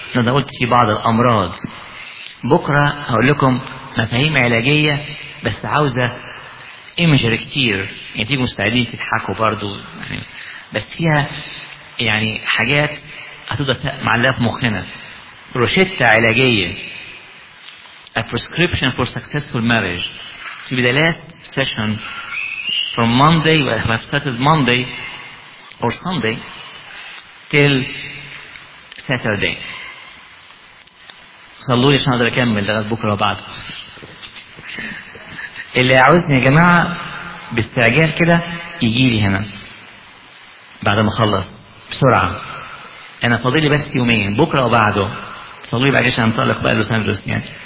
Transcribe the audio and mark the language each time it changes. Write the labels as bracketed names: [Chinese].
[Arabic] أنا قلت في بعض الأمراض. بكرة أقول لكم مفاهيم علاجية بس عاوزة إيمجر كتير. يعني تيجوا مستعدين تضحكوا برضو. يعني بس فيها يعني حاجات هتقدر معلقة في مخنا. روشتة علاجية. [English] A prescription for successful marriage. To be the last session from Monday, we have started Monday or Sunday till Saturday. [Arabic] صلوني عشان أقدر أكمل لغاية بكرة وبعد. اللي عاوزني يا جماعة باستعجال كده يجيلي هنا بعد ما أخلص بسرعة. أنا فاضلي بس يومين بكرة وبعده. صلوني بعد عشان أنطلق بقى لوس أنجلوس يعني.